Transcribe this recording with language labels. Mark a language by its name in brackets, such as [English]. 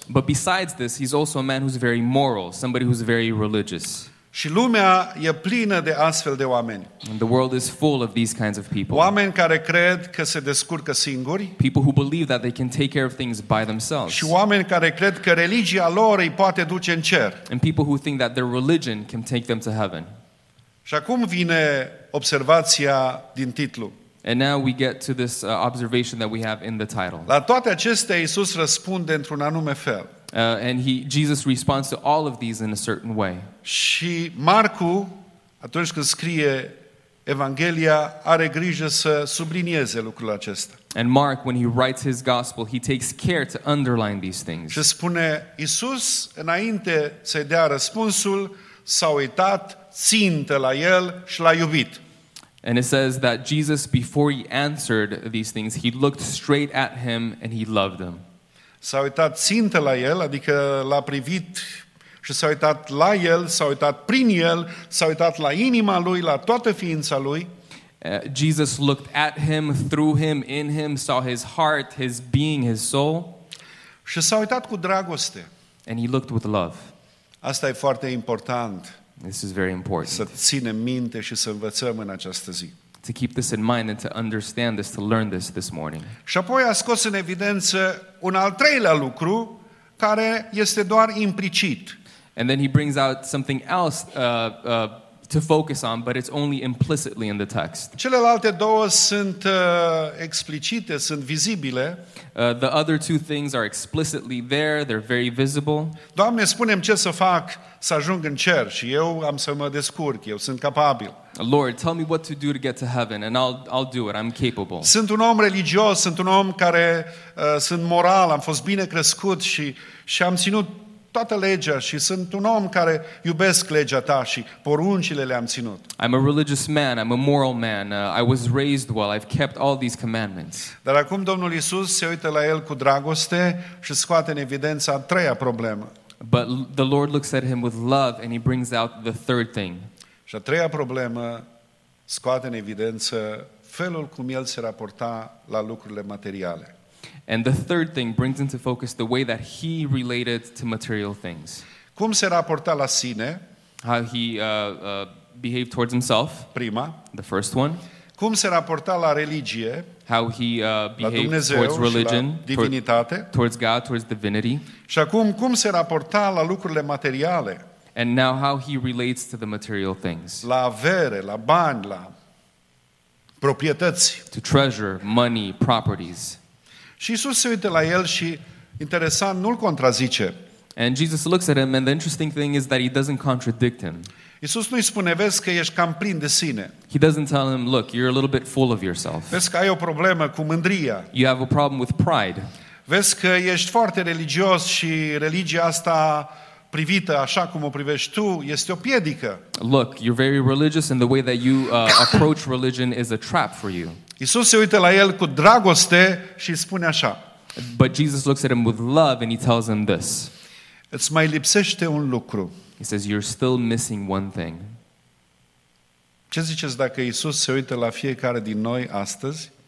[English] But besides this, he's also a man who's very moral, somebody who's very religious. [Romanian] Și lumea e plină de astfel de oameni. [English] And the world is full of these kinds of people. [Romanian] Oameni care cred că se descurcă singuri. [English] People who believe that they can take care of things by themselves. [Romanian] Și oameni care cred că religia lor îi poate duce în cer. [English] And people who think that their religion can take them to heaven. [Romanian] Și acum vine observația din titlu. [English] And now we get to this observation that we have in the title. [Romanian] La toate acestea, Iisus răspunde într-un anume fel. [English] Jesus responds to all of these in a certain way. [Romanian] Și Marcu, atunci când scrie Evanghelia, are grijă să sublinieze lucrul acesta. [English] And Mark, when he writes his gospel, he takes care to underline these things. [Romanian] Și spune, Iisus, înainte să-i dea răspunsul, s-a uitat țintă la el și l-a iubit. [English] And it says that Jesus, before he answered these things, he looked straight at him and he loved him. [Romanian] S-a uitat țintă la el, adică l-a privit și s-a uitat la el, s-a uitat prin el, s-a uitat la inima lui, la toată ființa lui. [English] Jesus looked at him, through him, in him, saw his heart, his being, his soul. [Romanian] Și s-a uitat cu dragoste. [English] And he looked with love. [Romanian] Asta e foarte important. [English] This is very important. [Romanian] Să ținem minte și să învățăm în această zi. [English] To keep this in mind and to understand this, to learn this this morning. [Romanian] Și apoi a scos în evidență un al treilea lucru care este doar implicit. [English] And then he brings out something else to focus on, but it's only implicitly in the text. [Romanian] Celelalte două sunt explicite, sunt vizibile. [English] The other two things are explicitly there, they're very visible. [Romanian] Doamne, spune-mi ce să fac să ajung în cer și eu am să mă descurc, eu sunt capabil. [English] Lord, tell me what to do to get to heaven and I'll do it, I'm capable. [Romanian] Sunt un om religios, sunt un om care sunt moral, am fost bine crescut și am ținut toată legea și sunt un om care iubesc legea ta și poruncile le-am ținut. [English] I'm a religious man, I'm a moral man. I was raised well, I've kept all these commandments. [Romanian] Dar acum Domnul Iisus se uită la el cu dragoste și scoate în evidență a treia problemă. [English] But the Lord looks at him with love and he brings out the third thing. [Romanian] Și a treia problemă scoate în evidență felul cum el se raporta la lucrurile materiale. [English] And the third thing brings into focus the way that he related to material things. [Romanian] Cum se raporta la sine? [English] How he behaved towards himself. [Romanian] Prima. [English] The first one. [Romanian] Cum se raporta la religie? [English] How he behaved [Romanian] la Dumnezeu [English] towards religion. [Romanian] La divinitate. [English] Towards God, towards divinity. [Romanian] Și acum, cum se raporta la lucrurile materiale? [English] And now how he relates to the material things. [Romanian] La avere, la bani, la proprietăți. [English] To treasure, money, properties. [Romanian] Și Iisus se uită la el și interesant, nu-l contrazice. [English] And Jesus looks at him and the interesting thing is that he doesn't contradict him. [Romanian] Iisus nu-i spune, vezi că ești cam plin de sine. [English] He doesn't tell him, look, you're a little bit full of yourself. [Romanian] Vezi că ai o problemă cu mândria. [English] You have a problem with pride. [Romanian] Vezi că ești foarte religios și religia asta privită așa cum o privești tu este o piedică. [English] Look, you're very religious and the way that you approach religion is a trap for you. [Romanian] Iisus se uită la el cu dragoste și spune așa. [English] But Jesus looks at him with love and he tells him this. [Romanian] Îți mai lipsește un lucru. [English] He says, you're still missing one thing. [Romanian] Ce ziceți dacă Iisus se uită la fiecare din noi astăzi?